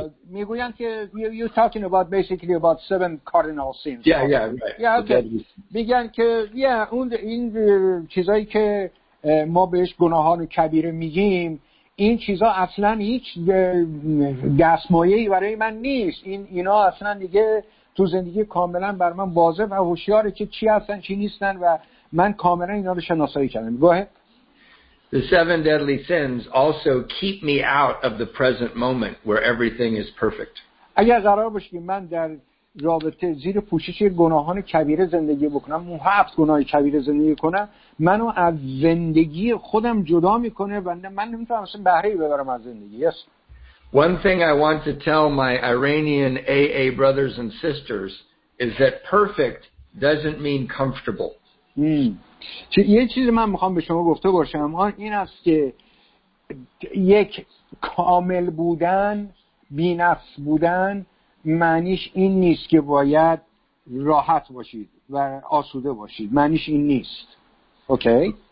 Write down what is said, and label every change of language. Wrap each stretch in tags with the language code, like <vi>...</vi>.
<fa>میگویند که</fa> <en>you're talking about basically about 7 cardinal sins. Yeah, right. Yeah, okay.</en> <fa>میگن که اون این چیزایی که ما بهش گناهان کبیره میگیم این چیزا اصلا هیچ دستمایه‌ای برای من نیست. اینا اصلا دیگه تو زندگی کاملا بر من واضح و هوشیاره که چی هستن چی نیستن و من کاملا اینا رو شناسایی کردم. گوه</fa> <en>The 7 deadly sins also keep me out of the present moment where everything is perfect.</en> <fa>اگر قرار باشه که من در رابطه زیر پوشش گناهان کبیره زندگی بکنم، اون 7 گناه کبیره زندگی کنم، منو از زندگی خودم جدا میکنه و من نمیتونم اصلا بهره ای ببرم از زندگی.</fa> <en>Yes. One thing I want to tell my Iranian AA brothers and sisters is that perfect doesn't mean comfortable.</en> <fa>یه چیزی من میخوام به شما گفته باشم آن این است که یک کامل بودن بی نفس بودن معنیش این نیست که باید راحت باشید و آسوده باشید معنیش این نیست okay.</fa>